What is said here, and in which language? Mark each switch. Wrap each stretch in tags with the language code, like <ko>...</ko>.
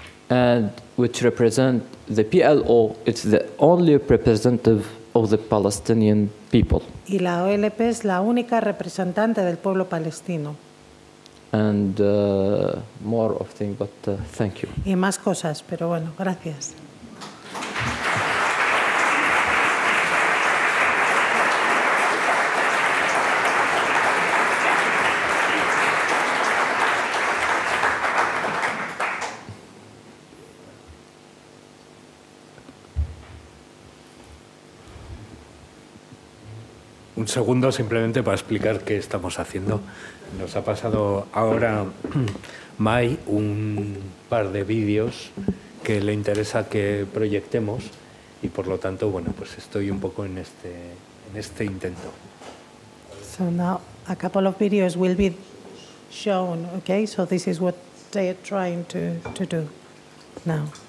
<en>And which represent the PLO, it's the only representative of the Palestinian people.</en> <es>Y la OLP es la única representante del pueblo palestino.</es> <en>And more of things, but thank you.</en> <es>Y más cosas, pero bueno, gracias. Un segundo, simplemente para explicar qué estamos haciendo. Nos ha pasado ahora Mai un par de vídeos que le interesa que proyectemos y, por lo tanto, bueno, pues estoy un poco en este intento.</es> <en>So now a couple of videos will be shown, okay? So this is what they are trying to do now.</en>